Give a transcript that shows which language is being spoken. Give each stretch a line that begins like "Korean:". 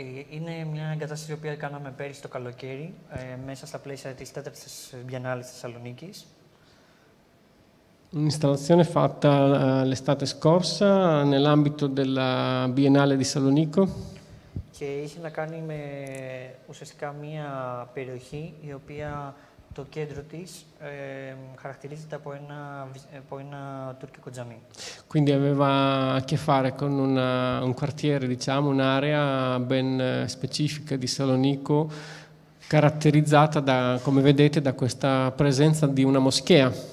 Greek: Είναι μια εγκατάσταση η οποία κάναμε πέρυσι το καλοκαίρι μέσα στα πλαίσια της 4ης Biennale Θεσσαλονίκης.
Italian: Un'installazione fatta l'estate scorsa nell'ambito della Biennale di Salonico.
Greek: Και είχε να κάνει με ουσιαστικά μία περιοχή η οποία το κέντρο της χαρακτηρίζεται από ένα τουρκικό τζαμί.
Italian: Quindi aveva a che fare con un quartiere, diciamo, un'area ben specifica di Salonico, caratterizzata da, come vedete, da questa presenza di una moschea.